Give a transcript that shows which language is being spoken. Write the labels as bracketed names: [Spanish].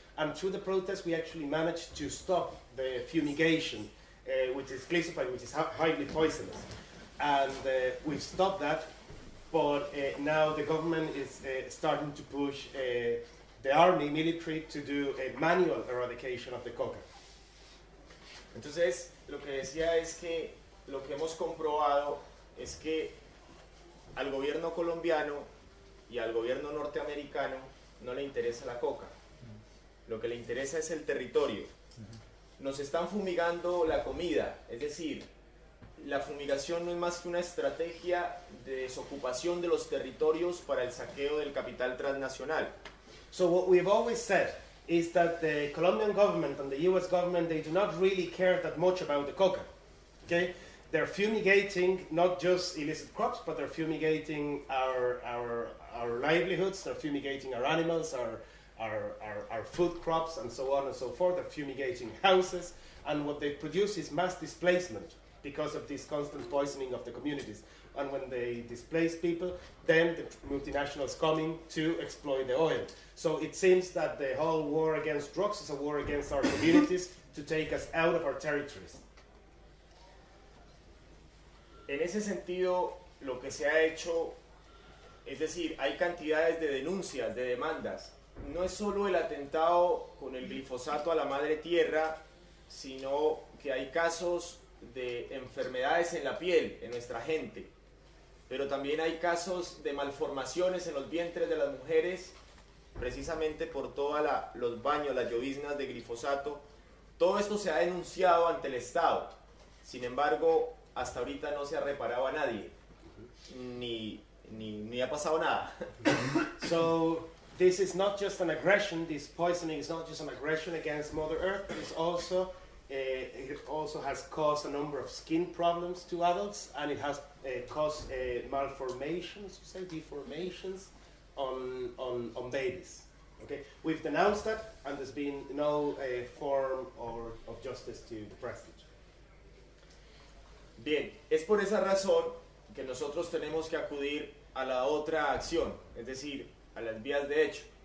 [English] And through the protests, we actually managed to stop the fumigation, which is glyphosate, which is highly poisonous. And we've stopped that, but now the government is starting to push the army, military, to do a manual eradication of the coca. [Spanish] Entonces, lo que decía es que lo que hemos comprobado es que al gobierno colombiano y al gobierno norteamericano no le interesa la coca. Lo que le interesa es el territorio. Nos están fumigando la comida, es decir, la fumigación no es más que una estrategia de desocupación de los territorios para el saqueo del capital transnacional. [English] So what we've always said is that the Colombian government and the US government, they do not really care that much about the coca. Okay? They're fumigating not just illicit crops, but they're fumigating our livelihoods, they're fumigating our animals, our food crops, and so on and so forth. They're fumigating houses, and what they produce is mass displacement because of this constant poisoning of the communities. And when they displace people, then the multinationals come in to exploit the oil. So it seems that the whole war against drugs is a war against our communities to take us out of our territories. [Spanish] En ese sentido, lo que se ha hecho, es decir, hay cantidades de denuncias, de demandas. No es solo el atentado con el glifosato a la madre tierra, sino que hay casos de enfermedades en la piel, en nuestra gente. Pero también hay casos de malformaciones en los vientres de las mujeres, precisamente por todos los baños, las lloviznas de glifosato. Todo esto se ha denunciado ante el Estado. Sin embargo, hasta ahorita no se ha reparado a nadie, ni ha pasado nada. [English] So, this is not just an aggression, this poisoning is not just an aggression against Mother Earth, but it's also, it also has caused a number of skin problems to adults, and it has caused malformations, you say, deformations on babies. Okay, we've denounced that, and there's been no form of justice to the president. [Spanish] Bien, es por esa razón que nosotros tenemos que acudir a la otra acción, es decir, a las vías de hecho.